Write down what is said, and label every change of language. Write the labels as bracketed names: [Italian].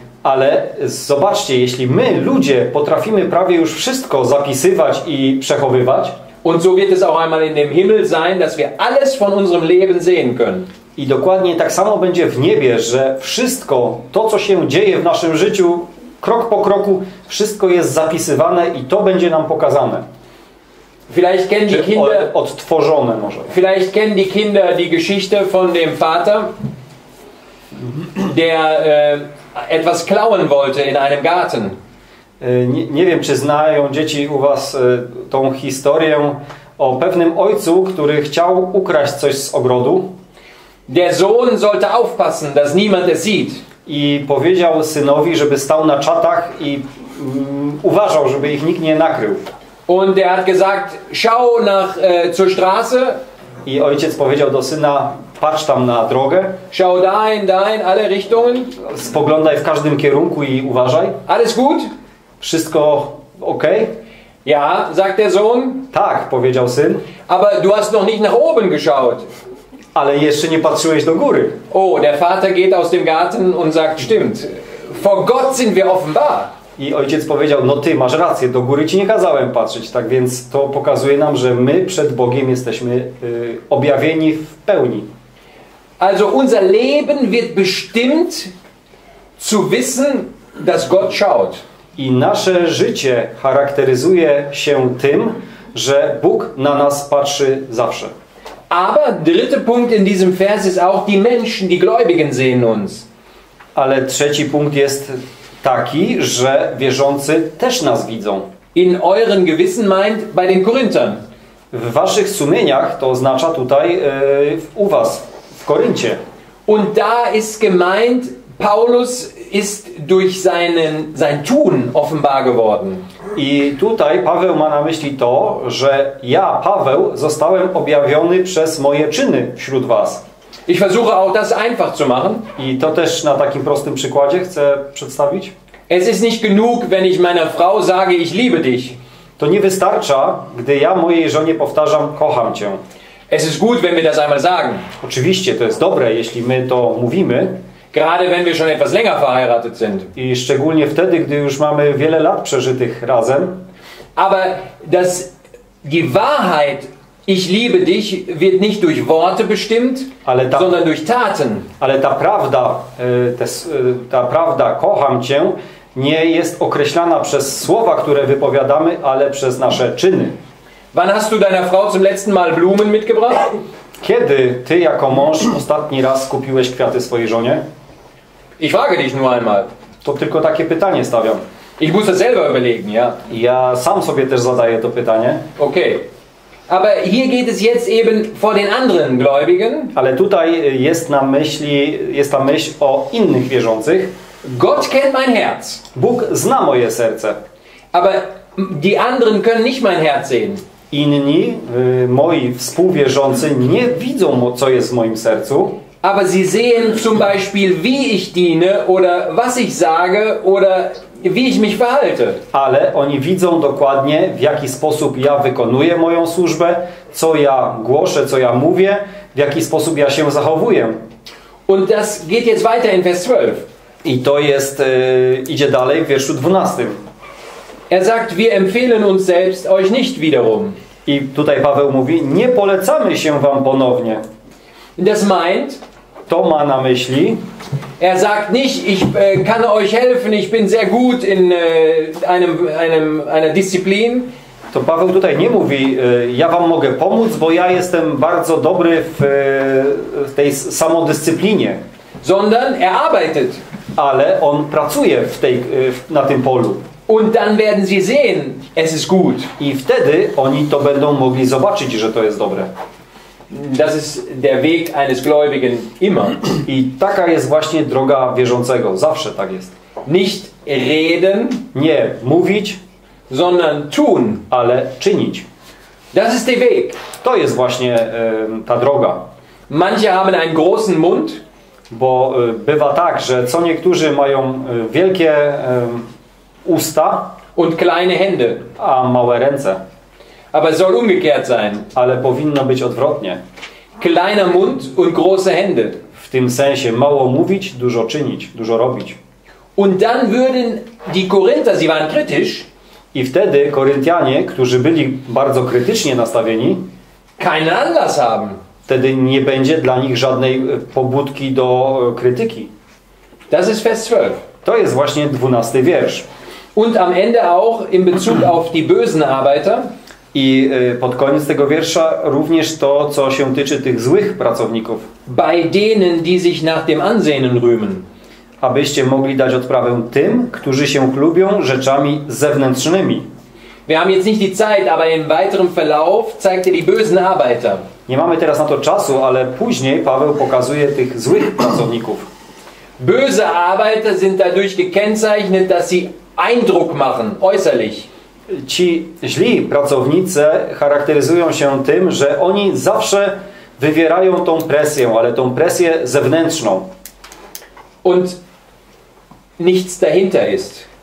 [Polish] Ale zobaczcie, jeśli my, ludzie, potrafimy prawie już wszystko zapisywać i przechowywać. [German] Und so wird es auch einmal in dem Himmel sein, dass wir alles von unserem Leben sehen können. [Polish] I dokładnie tak samo będzie w niebie, że wszystko to, co się dzieje w naszym życiu, krok po kroku, wszystko jest zapisywane i to będzie nam pokazane. [German] Vielleicht kennen die Kinder, [Polish] odtworzone może. [German] Vielleicht kennen die Kinder die Geschichte von dem Vater, der etwas klauen wollte in einem Garten. [Polish] Nie wiem, czy znają dzieci u was tą historię o pewnym ojcu, który chciał ukraść coś z ogrodu. [German] Der Sohn sollte aufpassen, dass niemand es sieht. [Polish] I powiedział synowi, żeby stał na czatach i uważał, żeby ich nikt nie nakrył. [German] Und er hat gesagt, schau nach zur Straße. [Polish] I ojciec powiedział do syna, patrz tam na drogę. [German] Schau dahin, dahin, alle Richtungen. [Polish] Spoglądaj w każdym kierunku i uważaj. [German] Alles gut? [Polish] Wszystko okej? [German] Okay. Ja, sagt der Sohn. [Polish] Tak, powiedział syn. [German] Aber du hast noch nicht nach oben geschaut. [Polish] Ale jeszcze nie patrzyłeś do góry. [German] O, der Vater geht aus dem Garten und sagt, stimmt. Vor Gott sind wir offenbar. [Polish] I ojciec powiedział, no ty masz rację, do góry ci nie kazałem patrzeć. Tak więc to pokazuje nam, że my przed Bogiem jesteśmy objawieni w pełni. [German] Also unser Leben wird bestimmt zu wissen, dass Gott schaut. [Polish] I nasze życie charakteryzuje się tym, że Bóg na nas patrzy zawsze. [German] Aber dritter Punkt in diesem Vers ist auch die Menschen, die Gläubigen sehen uns. [Polish] Ale trzeci punkt jest taki, że wierzący też nas widzą. [German] In euren Gewissen meint bei den Korinthern. [Polish] W waszych sumieniach to oznacza tutaj u was w Koryncie. [German] Und da ist gemeint, Paulus ist durch sein Tun offenbar geworden. [Polish] I tutaj Paweł ma na myśli to, że ja, Paweł, zostałem objawiony przez moje czyny wśród was. [German] Ich versuche auch das einfach zu machen. [Polish] I to też na takim prostym przykładzie chcę przedstawić. [German] Es ist nicht genug, wenn ich meiner Frau sage, ich liebe dich. [Polish] To nie wystarcza, gdy ja mojej żonie powtarzam, kocham cię. [German] Es ist gut, wenn wir das einmal sagen. [Polish] Oczywiście, to jest dobre, jeśli my to mówimy. [German] Gerade wenn wir schon etwas länger verheiratet sind. [Polish] I szczególnie wtedy, gdy już mamy wiele lat przeżytych razem. [German] Aber dass die Wahrheit, ich liebe dich, wird nicht durch Worte bestimmt, sondern durch Taten. [Polish] Ale ta prawda, ta prawda, kocham cię, nie jest określana przez słowa, które wypowiadamy, ale przez nasze czyny. [German] Wann hast du deiner Frau zum letzten Mal Blumen mitgebracht? [Polish] Kiedy ty jako mąż ostatni raz kupiłeś kwiaty swojej żonie? [German] Ich frage dich nur einmal. [Polish] To tylko takie pytanie stawiam. [German] Ich muss das selber überlegen, ja. [Polish] Ja sam sobie też zadaję to pytanie. Okay. [German] Aber hier geht es jetzt eben vor den anderen Gläubigen. [Polish] Ale tutaj jest na myśli, jest ta myśl o innych wierzących. [German] Gott kennt mein Herz. [Polish] Bóg zna moje serce. [German] Aber die anderen können nicht mein Herz sehen. [Polish] Inni, moi współwierzący, nie widzą, co jest w moim sercu. [German] Aber sie sehen zum Beispiel, wie ich diene, oder was ich sage, oder wie ich mich verhalte. [Polish] Ale oni widzą dokładnie, w jaki sposób ja wykonuję moją służbę, co ja głoszę, co ja mówię, w jaki sposób ja się zachowuję. [German] Und das geht jetzt weiter in Vers 12. [Polish] I to jest, idzie dalej w wierszu 12. [German] Er sagt, wir empfehlen uns selbst euch nicht wiederum. [Polish] I tutaj Paweł mówi, nie polecamy się wam ponownie. [German] Das meint, [Polish] to ma na myśli? [German] Er sagt nicht, ich kann euch helfen, ich bin sehr gut in einer Disziplin. [Polish] To Paweł tutaj nie mówi, ja wam mogę pomóc, bo ja jestem bardzo dobry w tej samodyscyplinie. [German] Sondern er arbeitet. [Polish] Ale on pracuje w tej, na tym polu. [German] Und dann werden sie sehen, es ist gut. [Polish] I wtedy oni to będą mogli zobaczyć, że to jest dobre. [German] Das ist der Weg eines Gläubigen immer. [Polish] I taka jest właśnie droga wierzącego. Zawsze tak jest. [German] Nicht reden, [Polish] nie mówić, [German] sondern tun, [Polish] ale czynić. [German] Das ist der Weg. [Polish] To jest właśnie ta droga. [German] Manche haben einen großen Mund, [Polish] bo bywa tak, że co niektórzy mają wielkie usta [German] und kleine Hände, [Polish] a małe ręce. [German] Aber soll umgekehrt sein. [Polish] Ale powinno być odwrotnie. [German] Kleiner Mund und große Hände. [Polish] W tym sensie mało mówić, dużo czynić, dużo robić. [German] Und dann würden die Korinther, sie waren kritisch. [Polish] I wtedy Koryntianie, którzy byli bardzo krytycznie nastawieni, [German] keinen Anlass haben. [Polish] Wtedy nie będzie dla nich żadnej pobudki do krytyki. [German] Das ist Vers 12. [Polish] To jest właśnie 12 wiersz. [German] Und am Ende auch in Bezug auf die bösen Arbeiter. [Polish] I pod koniec tego wiersza również to, co się tyczy tych złych pracowników. [German] Bei denen, die sich nach dem Ansehen rühmen. [Polish] Abyście mogli dać odprawę tym, którzy się chlubią rzeczami zewnętrznymi. [German] Wir haben jetzt nicht die Zeit, aber im weiteren Verlauf zeigt er die bösen Arbeiter. [Polish] Nie mamy teraz na to czasu, ale później Paweł pokazuje tych złych pracowników. [German] Böse Arbeiter sind dadurch gekennzeichnet, dass sie Eindruck machen, äußerlich. [Polish] Ci źli pracownicy charakteryzują się tym, że oni zawsze wywierają tą presję, ale tą presję zewnętrzną. [German] Und nichts dahinter ist.